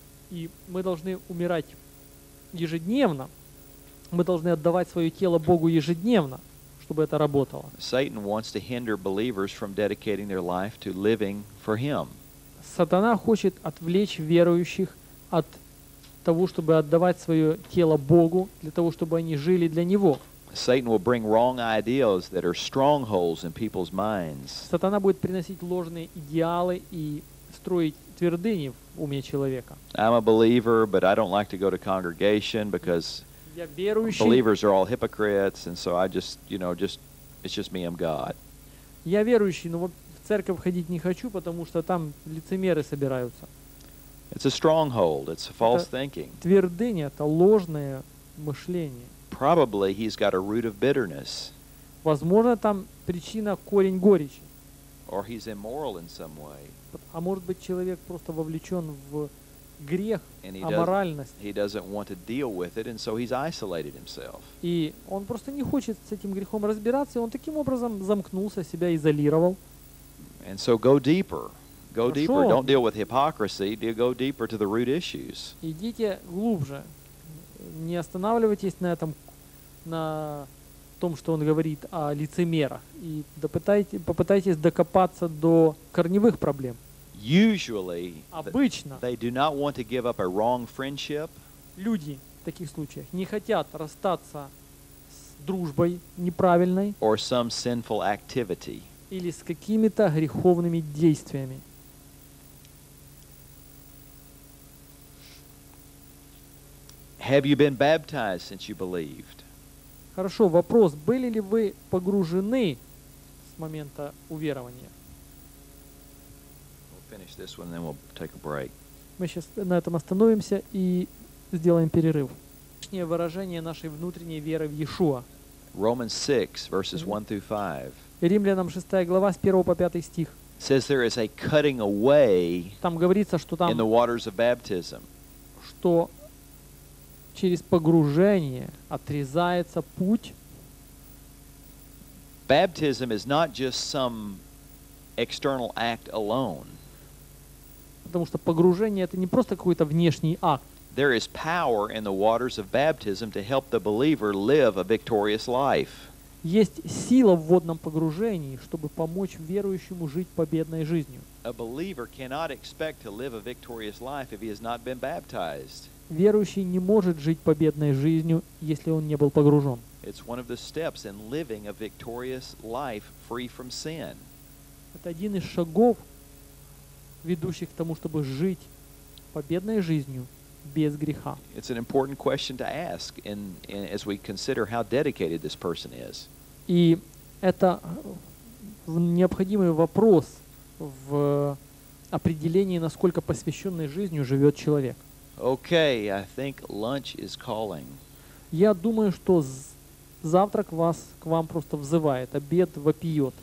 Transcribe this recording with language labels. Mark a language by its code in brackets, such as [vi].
[ru] И мы должны умирать ежедневно. Мы должны отдавать свое тело Богу ежедневно, чтобы это работало. [en] Satan wants to hinder believers from dedicating their life to living for Him. [ru] Сатана хочет отвлечь верующих от того, чтобы отдавать свое тело Богу, для того, чтобы они жили для Него. [en] Satan will bring wrong ideas that are strongholds in people's minds. [ru] Сатана будет приносить ложные идеалы и строить твердыни в уме человека. [en] I'm a believer, but I don't like to go to congregation because believers are all hypocrites, and so I just, you know, just it's just me, I'm God. [ru] Я верующий, но в церковь ходить не хочу, потому что там лицемеры собираются. [en] It's a stronghold. It's false [ru] это [en] thinking. [ru] Твердыня, это ложное мышление. [en] Probably he's got a root of bitterness. [ru] Возможно, там причина корень горечи. [en] Or he's immoral in some way. [ru] А может быть, человек просто вовлечен в грех, аморальность. [en] He doesn't want to deal with it, and so he's isolated himself. [ru] И он просто не хочет с этим грехом разбираться, и он таким образом замкнулся, себя изолировал. [en] And so go deeper. Go deeper. Don't deal with hypocrisy. Go deeper to the root issues. [ru] Идите глубже. Не останавливайтесь на этом, на том, что он говорит о лицемерах. И попытайтесь докопаться до корневых проблем. [en] Usually, [ru] обычно, [en] they do not want to give up a wrong friendship. [ru] Люди в таких случаях не хотят расстаться с дружбой неправильной. [en] Or some sinful activity. [ru] Или с какими-то греховными действиями. [en] Have you been baptized since you believed? [ru] Хорошо, вопрос. Были ли вы погружены с момента уверования? [en] We'll finish this one, then we'll take a break. [ru] Мы сейчас на этом остановимся и сделаем перерыв. Внешнее выражение нашей внутренней веры в Иешуа. [en] Romans 6, verses 1 through 5. [ru] Римлянам 6 глава с 1 по 5 стих. [en] Says there is a cutting away [ru] там говорится, что там [en] in the waters of baptism. [ru] Что через погружение отрезается путь. [en] Baptism is not just some external act alone. [ru] Потому что погружение это не просто какой-то внешний акт. [en] There is power in the waters of baptism to help the believer live a victorious life. [ru] Есть сила в водном погружении, чтобы помочь верующему жить победной жизнью. [en] A believer cannot expect to live a victorious life if he has not been baptized. [ru] Верующий не может жить победной жизнью, если он не был погружен. [en] It's one of the steps in living a victorious life free from sin. [ru] Это один из шагов, ведущих к тому, чтобы жить победной жизнью без греха. [en] It's an important question to ask in as we consider how dedicated this person is. [ru] И это необходимый вопрос в определении, насколько посвященной жизнью живет человек. [en] Okay, I think lunch is calling. [ru] Я думаю, что завтрак вас к вам просто взывает, обед вопиет.